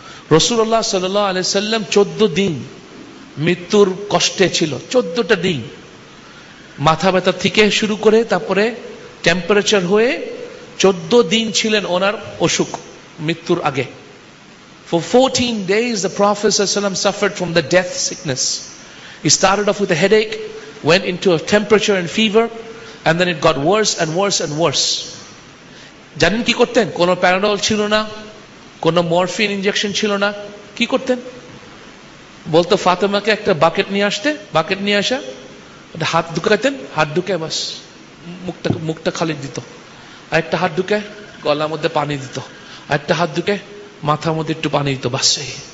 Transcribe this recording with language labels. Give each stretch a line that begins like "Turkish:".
Bangla: রসূলুল্লাহ সাল্লাল্লাহু আলাইহি সাল্লাম 14 দিন মৃত্যুর কষ্টে ছিল, 14টা দিন মাথা ব্যথা থেকে শুরু করে তারপরে টেম্পারেচার হয়ে 14 দিন ছিলেন ওনার অসুখ মৃত্যুর আগে।
English: For 14 days the Prophet sallallahu alaihi wasallam suffered from the death sickness. He started off with a headache, went into a temperature and fever, and then it got worse and worse and worse.
Bangla: জানেন কি করতেন? কোন প্যারাডল ছিল না, কোন morphine injection ছিল না, কি করতেন বলতো? ফাতেমাকে একটা বাকেট নিয়ে আসতে, বাকেট নিয়ে আসা একটা হাত ঢুকাতেন, হাত ঢুকায় বাস মুখটা মুখটা খালি দিত, আর একটা হাত ঢুকায় গলার মধ্যে পানি দিত, আর একটা হাত ঢুকায় মাথার মধ্যে একটু পানি দিত, বাস সেই।